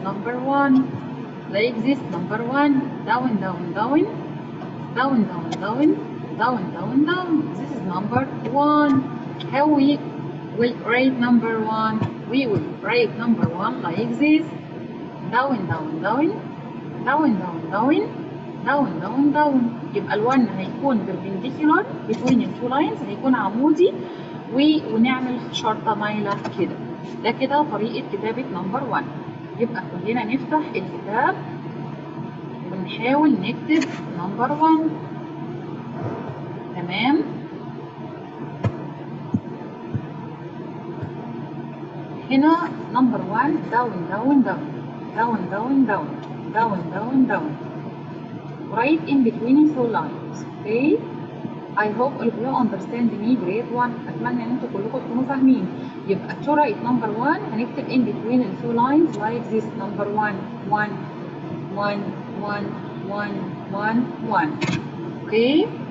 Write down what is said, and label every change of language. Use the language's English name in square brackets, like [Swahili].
[English] Number 1 like this. Number 1, down, down, down, down, down, down, down, down, down. This is number 1. How we will write number 1? We will write number 1 like this. Down, down, down, down, down, down, down, down, down. [Arabic] يبقى ال 1 هيكون [English] perpendicular between the two lines, [Arabic] هيكون عمودي, ونعمل شرطة مايلة كده. ده كده طريقة كتابة number 1. يبقى كلنا نفتح الكتاب ونحاول نكتب number 1. تمام. [English] هنا number 1 down down down down down down down down down right in between two lines. Okay. I hope all of you understand me grade 1. [Arabic] اتمنى ان انتوا كلكم تكونوا فاهمين. [English] يبقى to write number 1 هنكتب in between the two lines like this. Number 1 1 1 1 1 1 1. Okay.